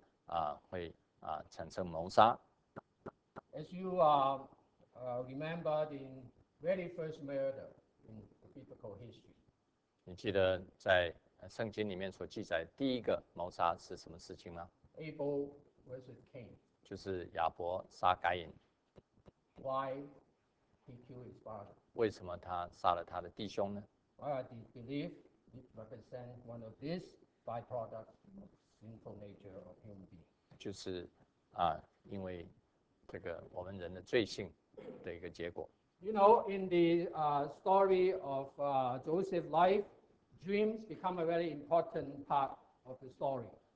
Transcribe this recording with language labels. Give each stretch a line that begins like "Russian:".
Chinese: 我们可以看见这种事情会导致仇恨，导致自私仇恨，甚至会产生谋杀。
English: As you remember the very first murder in the biblical history.
Chinese: 你记得在圣经里面所记载第一个谋杀是什么事情吗？
English: Abel versus Cain.
Chinese: 就是亚伯杀该隐。
English: Why he killed his father?
Chinese: 为什么他杀了他的弟兄呢？
English: Well, I believe it represents one of these byproducts of sinful nature of human being.
Chinese: 就是因为这个我们人的罪性的一个结果。
English: You know, in the story of Joseph's life, dreams become a very important part of the story.